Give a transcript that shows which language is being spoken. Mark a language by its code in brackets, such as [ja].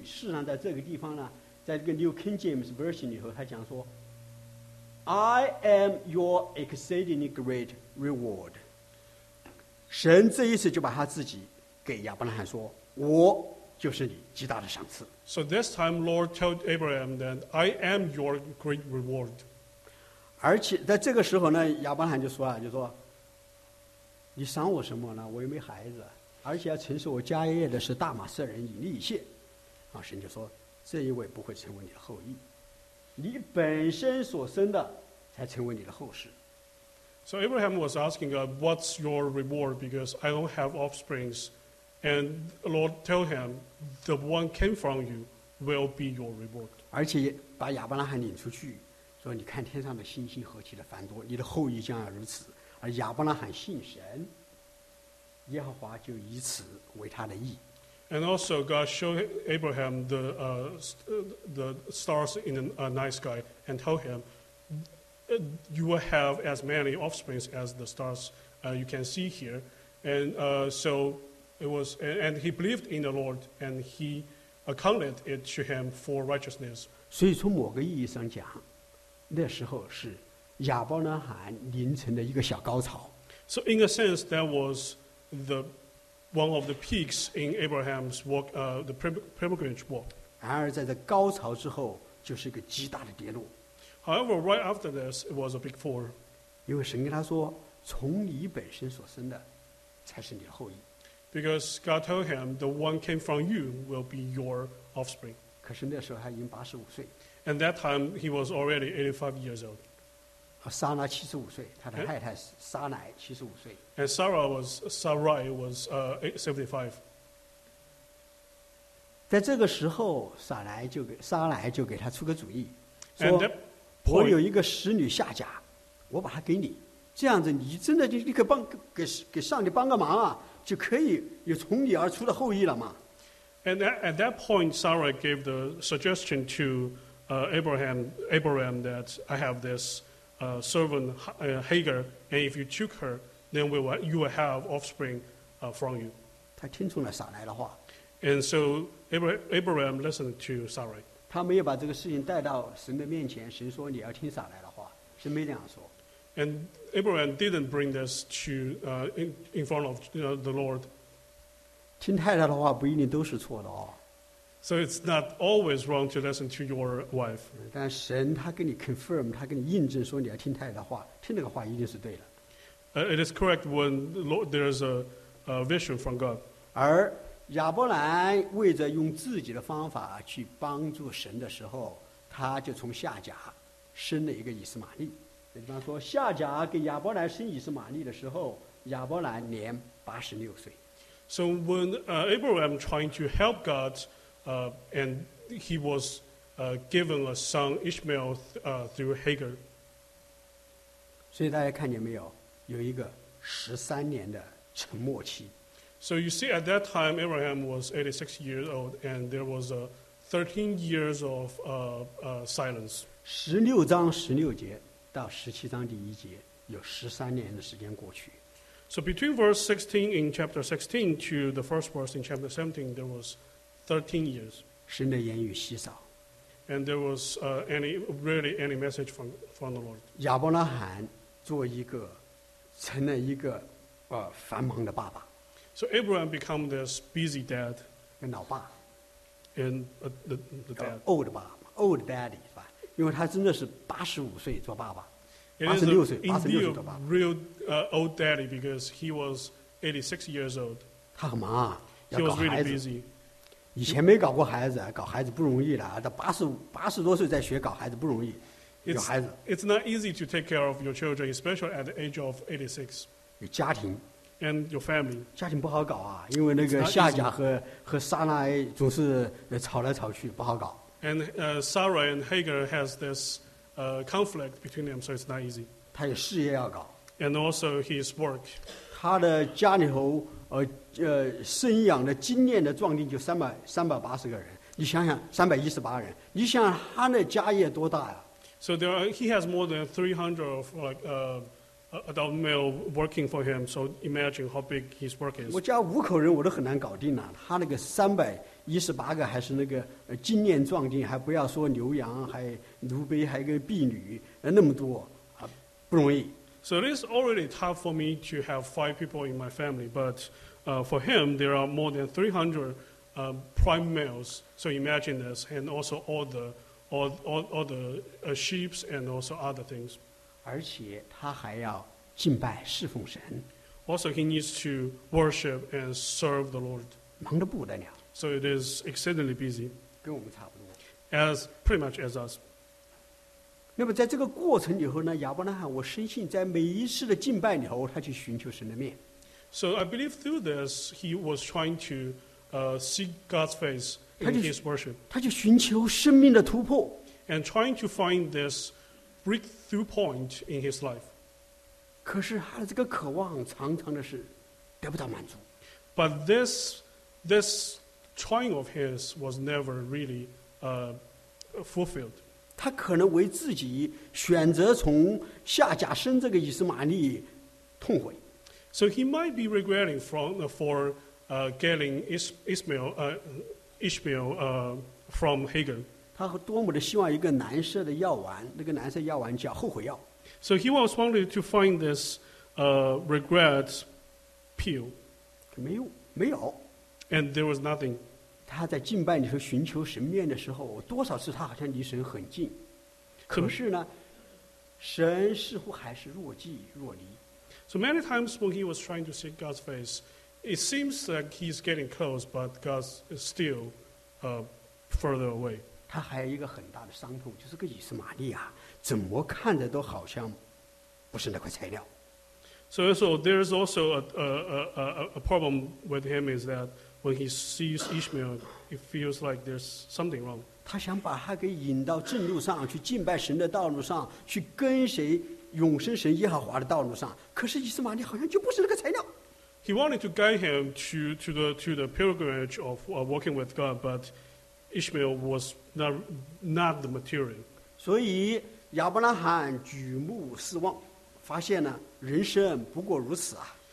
[zh] 事实上，在这个地方呢，在这个 New King James Version 里头，他讲说 ， [en] I am your exceedingly great reward。 [zh] 神这一次就把他自己给亚伯拉罕说，我就是你极大的赏赐。 [en] So this time, Lord told Abraham that I am your great reward。 [zh] 而且在这个时候呢，亚伯拉罕就说，你赏我什么呢？我又没孩子。而且要承受我家业的是大马色人以利谢，神就说这一位不会成为你的后裔，你本身所生的才成为你的后世。 [en] So Abraham was asking God, "What's your reward? Because I don't have offsprings." And the Lord told him, "The one came from you will be your reward." [zh] 而且把亚伯拉罕领出去，说你看天上的星星何其的繁多，你的后裔将要如此。而亚伯拉罕信神。耶和华就以此为他的义。 [en] And also God showed Abraham the stars in a night sky and told him, you will have as many offsprings as the stars you can see here. And so it was, and he believed in the Lord, and he accounted it to him for righteousness. [zh] 所以从某个意义上讲，那时候是亚伯拉罕临城的一个小高潮。 [en] So in a sense, that was the one of the peaks in Abraham's walk, the pilgrimage walk. [zh] 然而在这高潮之后，就是一个极大的跌落。 [en] However, right after this, it was a big fall. [zh] 因为神跟他说，从你本身所生的，才是你的后裔。 [en] Because God told him, the one came from you will be your offspring. [zh] 可是那时候他已经八十五岁。 [en] And that time he was already 85 years old. [zh] 撒拉七十五岁，他的太太撒乃七十五岁。 [en] And Sarai was 75. [zh] 在这个时候，撒乃就给他出个主意，说我有一个使女夏甲，我把她给你，这样子你真的就立刻帮给上帝帮个忙啊。就可以有从你而出的后裔了嘛。 [en] And at that point, Sarah gave the suggestion to Abraham that I have this servant Hagar, and if you took her, then you will have offspring from you. [zh] 他听从了撒来的话。 [en] And so Abraham listened to Sarah. [zh] 他没有把这个事情带到神的面前，神说你要听撒来的话，神没这样说。 [en] And Abraham didn't bring this to in front of the Lord. [zh] 听太太的话不一定都是错的哦。 [en] So it's not always wrong to listen to your wife. [zh] 但神他跟你 confirm, 他跟你印证说你要听太太的话，听那个话一定是对的。 [en] It is correct when the Lord, there is a vision from God. [zh] 而亚伯兰为着用自己的方法去帮助神的时候，他就从夏甲生了一个以斯玛利。比方说夏甲给亚伯兰生以实玛利的时候，亚伯兰年八十六岁。 [en] So when Abraham trying to help God, and he was given a son Ishmael through Hagar. [zh] 所以大家看见没有，有一个十三年的沉默期。 [en] So you see at that time Abraham was 86 years old and there was a 13 years of silence. [zh] 十六章十六节。到十七章第一节，有十三年的时间过去。 [en] So between verse 16 in chapter 16 to the first verse in chapter 17, there was 13 years. [zh] 神的言语稀少。 [en] And there was any message from the Lord. [zh] 亚伯拉罕做一个成了一个繁忙的爸爸。 [en] So Abraham became this busy dad. [zh] 个老爸。 [en] And the dad. Old 爸 old daddy. [zh] 因为他真的是八十五岁做爸爸，八十六岁做爸爸。 [en] Real old daddy because he was 86 years old. [zh] 他很忙啊，要搞孩子。 [en] Really、 [zh] 以前没搞过孩子，搞孩子不容易的。到八十多岁再学搞孩子不容易。有孩子。 [en] It's not easy to take care of your children, especially at the age of 86. [zh] 有家庭。 [en] And your family. [zh] 家庭不好搞啊，因为那个夏甲和撒拉总是吵来吵去，不好搞。 [en] And Sarah and Hagar has this conflict between them, so it's not easy. [zh] 他有事业要搞。 [en] And also his work. [zh] 他的家里头生养的精炼的壮丁就380个人，你想想318人，你想他的家业多大呀？ [en] So there he has more than 300 of adult male working for him. So imagine how big his work is. [zh] 我家五口人我都很难搞定了，他那个三百。一十八个还是那个精炼壮丁，还不要说牛羊，还奴婢，还有个婢女，那么多啊，不容易。 [en] So it is already tough for me to have five people in my family, but for him there are more than 300 prime males. So imagine this, and also all the sheep and also other things. [zh] 而且他还要敬拜侍奉神。 [en] Also he needs to worship and serve the Lord. [zh] 忙得不得了。 [en] So it is exceedingly busy. [zh] 跟我们差不多。 [en] As pretty much as us. [zh] 那么在这个过程以后呢，亚伯拉罕，我深信在每一次的敬拜以后，他去寻求神的面。 [en] So I believe through this, he was trying to see God's face in his worship. [zh] 他就寻求生命的突破。 [en] And trying to find this breakthrough point in his life. [zh] 可是他的这个渴望常常的是得不到满足。 [en] But this trying of his was never really fulfilled. [zh] 他可能为自己选择从下甲生这个以实玛利痛悔。 [en] So he might be regretting for getting Ishmael from Hagar. [zh] 他多么的希望一个蓝色的药丸，那个蓝色药丸叫后悔药。 [en] So he was wanting to find this regret pill. [zh] 没有，没有。 [en] And there was nothing. [zh] 他在敬拜里头寻求神面的时候，多少次他好像离神很近，可是呢，神似乎还是若即若离。 [en] So many times when he was trying to see God's face, it seems that he's getting close, but God is still further away. [zh] 他还有一个很大的伤痛，就是个以实玛利亚，怎么看着都好像不是那块材料。 [en] So there is also a problem with him is that when he sees Ishmael, it feels like there's something wrong. [zh] 他想把他给引到正路上，去敬拜神的道路上，去跟谁永生神耶和华的道路上。可是以实玛利好像就不是那个材料。 [en] He wanted to guide him to the pilgrimage of walking with God, but Ishmael was not the material. [zh] 所以亚伯拉罕举目四望。发现呢，人生不过如此啊。